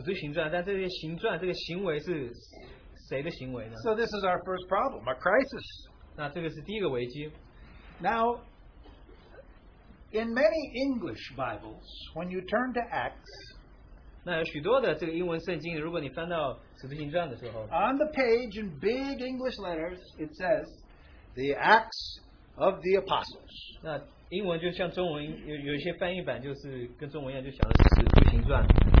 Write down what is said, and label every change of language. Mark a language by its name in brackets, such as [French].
[Chinese] 中文是说使徒行传，但这些行传这个行为是 [English] So this is our first problem, a crisis. [Chinese] 那这个是第一个危机。 [English] Now, in many English Bibles, when you turn to Acts, [Chinese] 那有许多的这个英文圣经，如果你翻到《使徒行传》的时候， [English] on the page in big English letters, it says, the Acts of the Apostles. [Chinese] 那英文就像中文有一些翻译版，就是跟中文一样，就写的《使徒行传》。